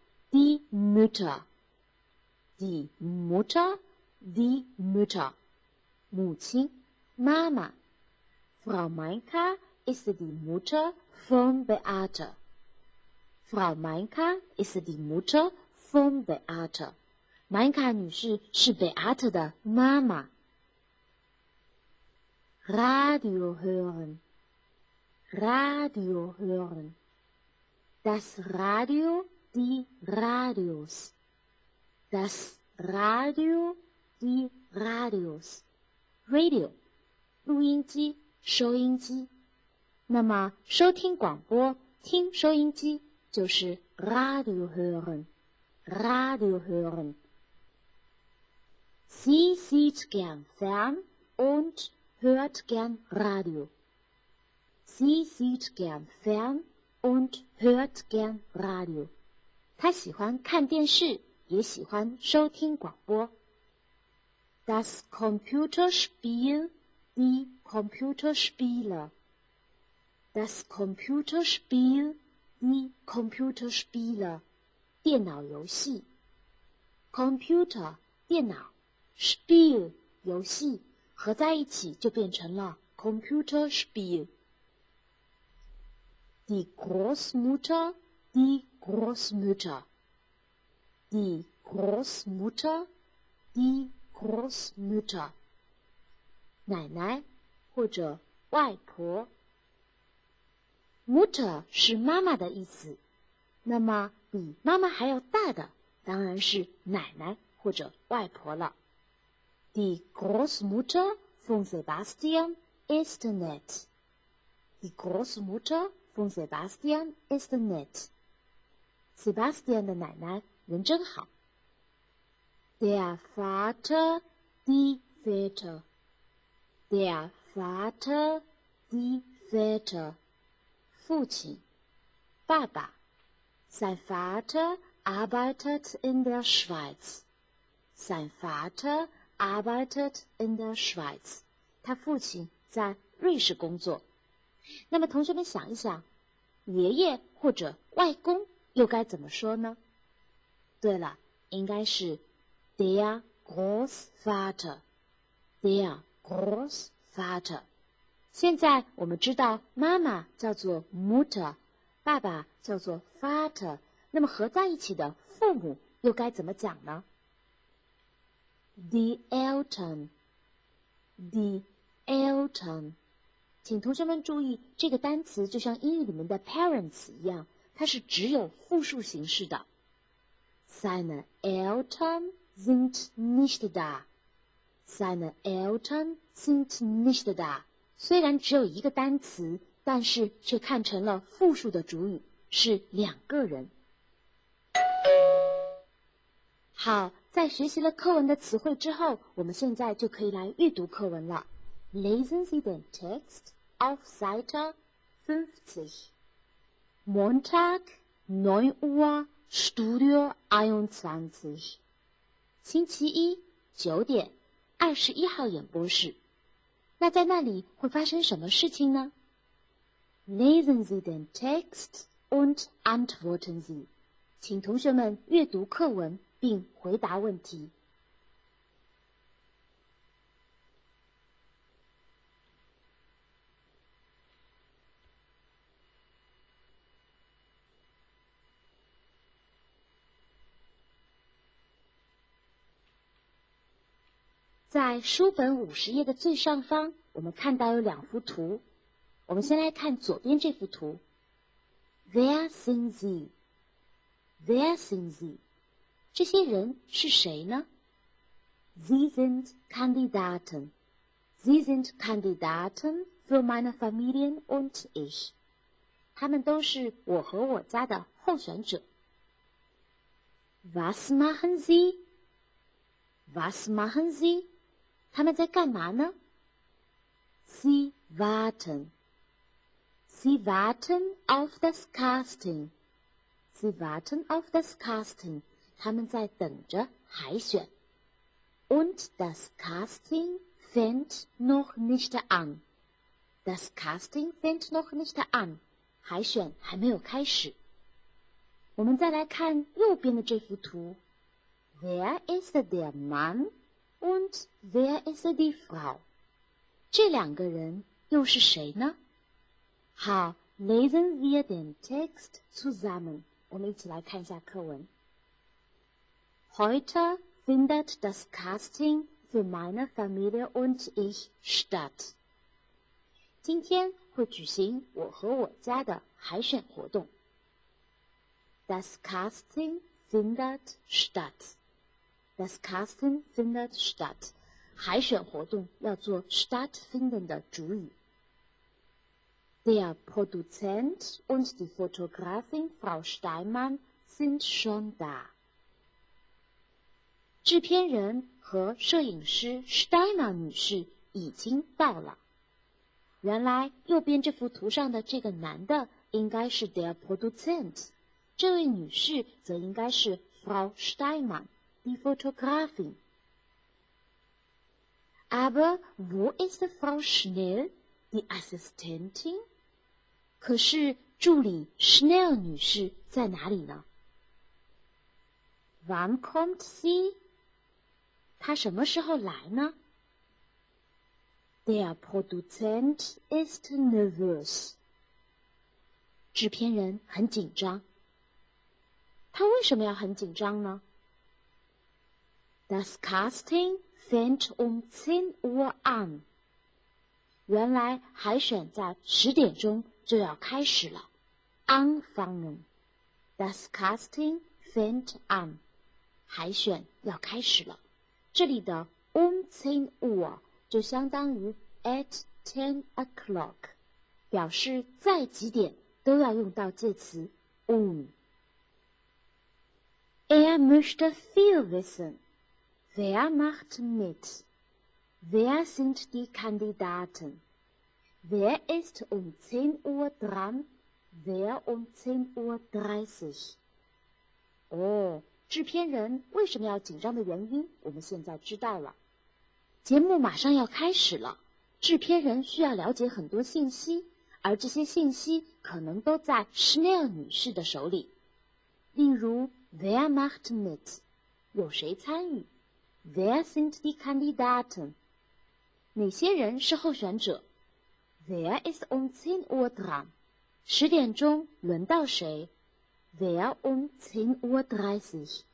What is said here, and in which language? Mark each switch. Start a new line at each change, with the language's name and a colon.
German: Die Mutter Die Mutter Die Mutter
Chinese: 母亲，妈妈
German: ，Frau Meinka ist die Mutter von Beate. Frau Meinka ist die Mutter von Beate.
Chinese: 曼卡女士是贝阿特的妈妈。
German: Radio hören, Radio hören. Das Radio, die Radios. Das Radio, die Radios.
Chinese: Radio, 录音机、收音机。那么收听广播、听收音机就是
German: Radio hören, Radio hören. Sie sieht gern fern und hört gern Radio. Sie sieht gern fern und hört gern Radio.
Chinese: 她喜欢看电视，也喜欢收听广播。
German: Das Computerspiel, die Computerspiele. Das Computerspiel, die Computerspiele.
Chinese: 电脑游戏。
German: Computer,
Chinese: 电脑。Spiel, 游戏。合在一起就变成了 Computerspiel.
German: Die Großmutter, die Großmutter. Die Großmutter, die Großmutter. Großmutter,
Chinese: 奶奶或者外婆。
German: Mutter
Chinese: 是妈妈的意思，那么比妈妈还要大的当然是奶奶或者外婆了。
German: Die Großmutter von Sebastian ist nett. Die Großmutter von Sebastian ist nett.
Chinese: Sebastian 的奶奶人真好。
German: Der Vater, die Väter. Der Vater, die Väter.
Chinese: 父亲，爸爸。
German: Sein Vater arbeitet in der Schweiz. Sein Vater arbeitet in der Schweiz.
Chinese: 他父亲在瑞士工作。那么同学们想一想，爷爷或者外公又该怎么说呢？对了，应该是
German: Der Großvater, der Großvater.
Chinese: 现在我们知道妈妈叫做 Mutter, 爸爸叫做 Vater, 那么合在一起的父母又该怎么讲呢
German: ?Die Eltern, die Eltern.
Chinese: 请同学们注意，这个单词就像英语里面的 parents 一样，它是只有复数形式的。
German: Seine Eltern,sind nicht da. Seine Eltern sind nicht da.
Chinese: 虽然只有一个单词，但是却看成了复数的主语，是两个人。好，在学习了课文的词汇之后，我们现在就可以来阅读课文了。
German: Lesen Sie den Text auf Seite 50. Montag, 9 Uhr, Studio 21.
Chinese: 星期一九点，二十一号演播室。那在那里会发生什么事情呢？
German: Lesen Sie den Text und antworten Sie.
Chinese: 请同学们阅读课文并回答问题。在书本五十页的最上方，我们看到有两幅图。我们先来看左边这幅图。
German: Wer sind Sie? Wer sind Sie?
Chinese: 这些人是谁呢？
German: Sie sind Kandidaten. Sie sind Kandidaten für meine Familie und ich.
Chinese: 他们都是我和我家的候选者。
German: Was machen Sie? Was machen Sie?
Chinese: 他们在干嘛呢？
German: Sie warten. Sie warten auf das Casting. Sie warten auf das Casting.
Chinese: 他们在等着海选。
German: Und das Casting fängt noch nicht an. Das Casting fängt noch nicht an.
Chinese: 海选还没有开始。我们再来看右边的这幅图。
German: Wer ist der Mann? Und wer ist die Frau?
Chinese: 这两个人又是谁呢？
German: 好 ,lesen wir den Text zusammen.
Chinese: 我们一起来看一下课文。
German: Heute findet das Casting für meine Familie und ich statt.
Chinese: 今天会举行我和我家的海选活动。
German: Das Casting findet statt. Das Casting findet statt.
Chinese: 海选活动要做 stattfinden 的主语。
German: Der Produzent und die Fotografin Frau Steinmann sind schon da.
Chinese: 制片人和摄影师 Steinmann 女士已经到了。原来右边这幅图上的这个男的应该是 der Produzent, 这位女士则应该是 Frau Steinmann.
German: Die Fotografin. Aber wo ist Frau Schnell, die Assistentin?
Chinese: 可是助理 Schnell 女士在哪里呢？
German: Wann kommt sie?
Chinese: 她什么时候来呢？
German: Der Produzent ist nervös.
Chinese: 制片人很紧张。他为什么要很紧张呢？
German: Das Casting fängt um 10 Uhr an.
Chinese: 原来海选在十点钟就要开始了。
German: Anfangen. Das Casting fängt an.
Chinese: 海选要开始了。这里的
German: um 10 Uhr
Chinese: 就相当于
English: at 10 o'clock.
Chinese: 表示在几点都要用到这词 um.
German: Er möchte viel wissen. Wer macht mit? Wer sind die Kandidaten? Wer ist um 10 Uhr dran? Wer um 10 Uhr 30?
Chinese: Oh, 制片人为什么要紧张的原因我们现在知道了。节目马上要开始了，制片人需要了解很多信息，而这些信息可能都在 Schnell 女士的手里。
German: 例如 Wer macht mit?
Chinese: 有谁参与？
German: Wer sind die Kandidaten?
Chinese: 哪些人是候选者？
German: Wer ist um 10 Uhr dran?
Chinese: 十点钟轮到谁？
German: Wer um 10 Uhr 30?